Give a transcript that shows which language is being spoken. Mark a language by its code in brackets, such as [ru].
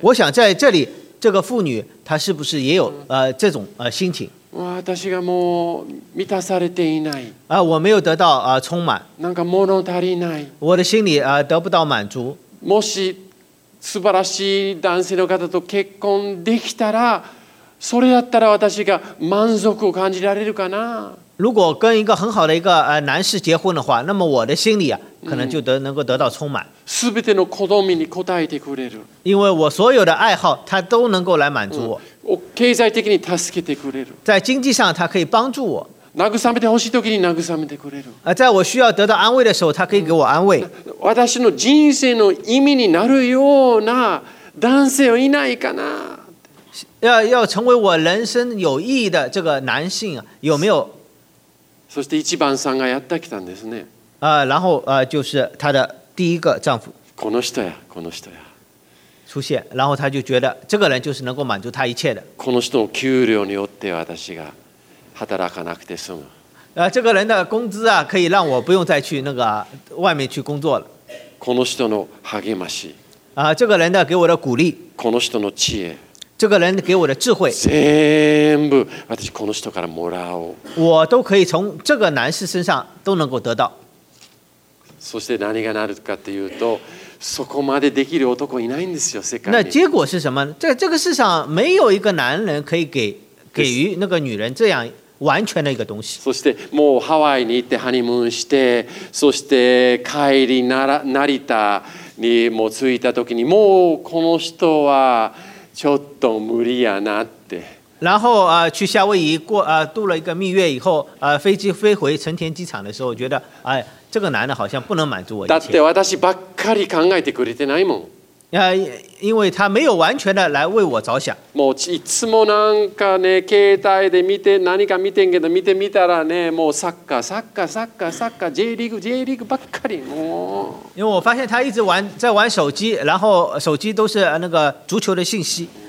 [zh] 我想在这里这个妇女她是不是也有、这种、心情 [ja] 私がもう満たされていない。 [zh] 我没有得到、充满。 [ja] なんか物足りない。 [zh] 我的心里、得不到满足。 [ja] もし素晴らしい男性の方と結婚できたら、それだったら私が満足を感じられるかな。 [zh] 如果跟一个很好的一个、男士结婚的话，那么我的心里、可能就得、能够得到充满。 [ja] すべての好みに応えてくれる。 [zh] 因为我所有的爱好，他都能够来满足我。 [ja] 経済的に助けてくれる。 [zh] 在经济上，他可以帮助我。 [ja] 慰めてほしい時に慰めてくれる。 [zh] 在我需要得到安慰的时候，他可以给我安慰。 [ja] 私の人生の意味になるような男性はいないかな。 [zh] 要成为我人生有意义的这个男性有没有？ [ja] そして一番さんがやってきたんですね。 [zh] 然后就是他的第一个丈夫。 [ja] この人や、この人や。 [zh] 出现，然后他就觉得这个人就是能够满足他一切的。 [ja] この人の給料によって私が働かなくて済む。 [zh] 这个人的工资啊，可以让我不用再去那个外面去工作了。 [ja] この人の励まし。 [zh] 这个人的给我的鼓励。 [ja] この人の知恵。 [zh] 这个人给我的智慧。 [ja] 全部私この人からもらおう。 [zh] 我都可以从这个男士身上都能够得到。 [ja] そして何がなるかというと。そこまでできる男いないんですよ世界に。 [zh] 那结果是什么？这个世上没有一个男人可以给予那个女人这样完全的一个东西。 [ja] そしてもうハワイに行ってハニムーンして、そして帰り成田にもついた時にもうこの人はちょっと無理やなって [zh] 然后、去夏威夷过、度了一个蜜月以后、飞机飞回成田机场的时候觉得、这个男的好像不能满足我 [ja] 一切だって私ばっかり考えてくれてないもん [zh] 因为他没有完全的来为我着想 [ja] もういつもなんかね携帯で見て何か見てんけど見てみたらねもうサッカーサッカーサッカーサッカー J リーグ J リーグばっかりもう [zh] 因为我发现他一直玩在玩手机然后手机都是那个足球的信息